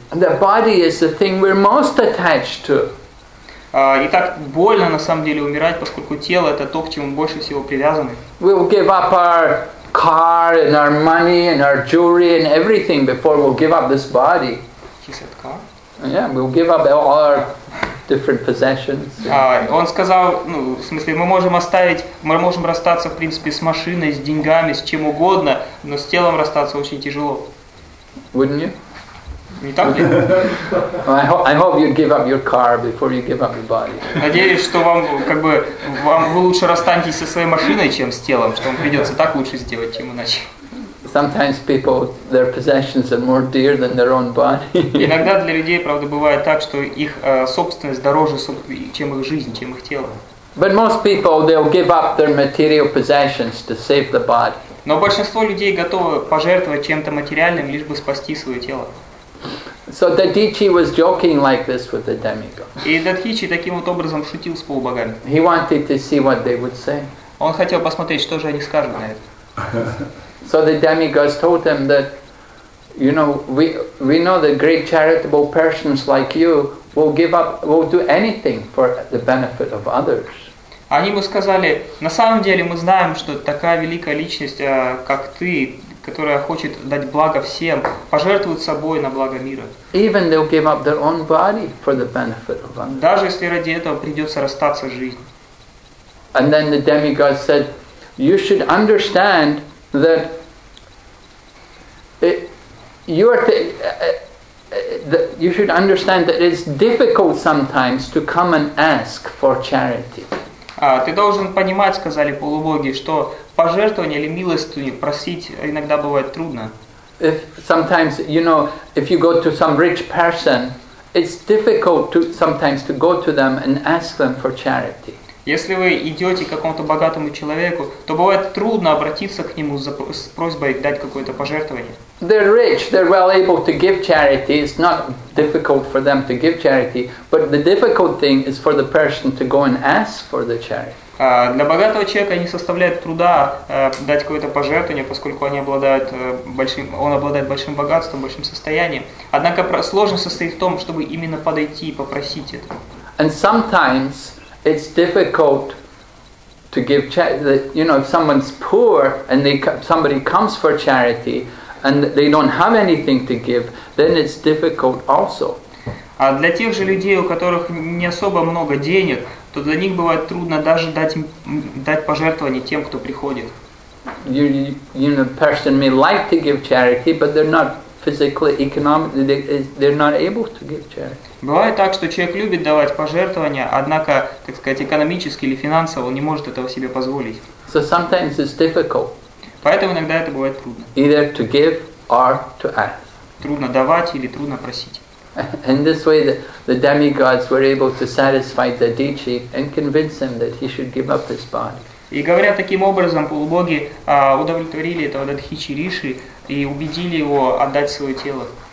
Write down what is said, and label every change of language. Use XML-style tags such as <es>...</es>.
<en>The body is the thing we're most attached to.</en> <ru>И так больно на самом деле умирать, поскольку тело это то, к чему больше всего привязаны.</ru> <en>We'll give up our car and our money and our jewelry and everything before we'll give up this body. He said car? Yeah, we'll give up all our different possessions.</en> <ru>Он сказал, ну, в смысле, мы можем расстаться, в принципе, с машиной, с деньгами, с чем угодно, но с телом расстаться очень тяжело.</ru> <en>Wouldn't you?</en> <ru>Не так ли?</ru> <en>I hope you give up your car before you give up your body.</en> <ru>Надеюсь, что вам, как бы, вам вы лучше расстанетесь со своей машиной, чем с телом, что вам придется так лучше сделать, чем иначе.</ru> <en>Sometimes people, their possessions are more dear than their own body.</en> <ru>Иногда для людей, правда, бывает так, что их собственность дороже, чем их жизнь, чем их тело.</ru> <en>But most people, they'll give up their material possessions to save the body.</en> <ru>Но большинство людей готовы пожертвовать чем-то материальным, лишь бы спасти свое тело.</ru> <en>So Dadichi was joking like this with the demigods.</en> <ru>И Дадхичи таким вот образом шутил с полубогами.</ru> <en>He wanted to see what they would say.</en> <ru>Он хотел посмотреть, что же они скажут на это.</ru> <en>So the demigods told him that, you know, we know that great charitable persons like you will give up, will do anything for the benefit of others.</en> <ru>Они ему сказали, на самом деле мы знаем, что такая великая личность, как ты, которая хочет дать благо всем, пожертвует собой на благо мира.</ru> <en>Even they'll give up their own body for the benefit of others.</en> <ru>Даже если ради этого придется расстаться с жизнью.</ru> <en>And then the demigods said, you should understand that you should understand that it's difficult sometimes to come and ask for charity.</en> <ru>Ты должен понимать, сказали полубоги, что пожертвование или милостыню просить иногда бывает трудно.</ru> <en>If sometimes, you know, if you go to some rich person, it's difficult to sometimes to go to them and ask them for charity.</en> <ru>Если вы идете к какому-то богатому человеку, то бывает трудно обратиться к нему с просьбой дать какое-то пожертвование.</ru> <en>They're rich, they're well able to give charity. It's not difficult for them to give charity, but the difficult thing is for the person to go and ask for the charity.</en> <ru>Для богатого человека не составляет труда дать какое-то пожертвование, поскольку он обладает большим богатством, большим состоянием. Однако сложность состоит в том, чтобы именно подойти и попросить это.</ru> <en>And sometimes it's difficult to give charity. You know, if someone's poor and somebody comes for charity and they don't have anything to give, then it's difficult also.</en> <ru>А для тех же людей, у которых не особо много денег, то для них бывает трудно даже дать пожертвование тем, кто приходит.</ru> <en>You know, person may like to give charity, but they're not physically, economically, they're not able to give charity.</en> <ru>Бывает так, что человек любит давать пожертвования, однако, так сказать, экономически или финансово он не может этого себе позволить.</ru> <en>So sometimes it's difficult.</en> <ru>Поэтому иногда это бывает трудно.</ru> <en>Either to give or to ask.</en> <ru>Трудно давать или трудно просить.</ru> <en>In this way, the demigods were able to satisfy Dadichi and convince him that he should give up his body.</en> <ru>И говоря таким образом, полубоги удовлетворили этого Дадхичи Риши и убедили его отдать свое тело.</ru>